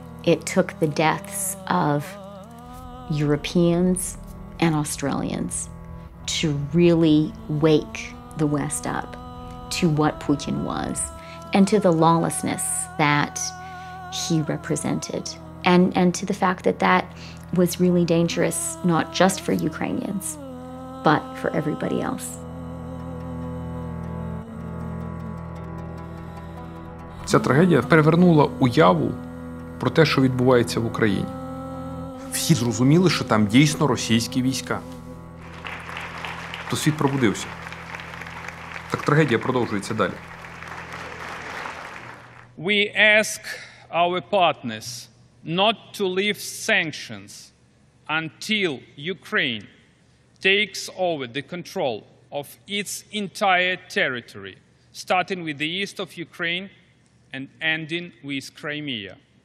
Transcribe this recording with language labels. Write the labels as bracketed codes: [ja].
[en] it took the deaths of Europeans and Australians to really wake the West up to what Putin was and to the lawlessness that he represented, and to the fact that that was really dangerous, not just for Ukrainians, but for everybody else. [uk] Ця трагедія перевернула уяву про те, що відбувається в Україні. Всі зрозуміли, що там дійсно російські війська. То світ пробудився. Так трагедія продовжується далі. [en] We ask our partners not to lift sanctions until Ukraine takes over the control of its entire territory, starting with the east of Ukraine and ending with Crimea.